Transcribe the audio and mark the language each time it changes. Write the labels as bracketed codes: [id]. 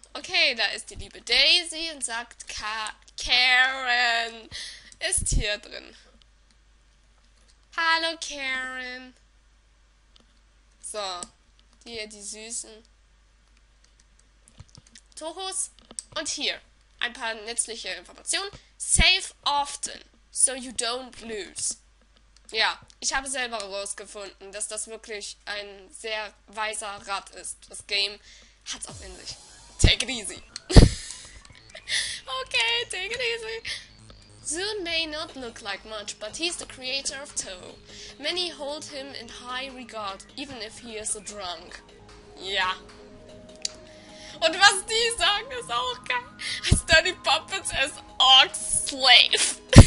[de] Okay, da ist die liebe Daisy und sagt, Karen ist hier drin. Hallo, Karen. So, hier die süßen Tohos. Und hier ein paar nützliche Informationen. [en] Save often, so you don't lose. [de] Ja, ich habe selber herausgefunden, dass das wirklich ein sehr weiser Rat ist. Das Game hat's auch in sich. [en] Take it easy. Okay, take it easy. Zoon may not look like much, but he's the creator of Toho. Many hold him in high regard, even if he is a drunk. [de] Ja. Und was die sagen, ist auch geil. [en] I study puppets as ox slave.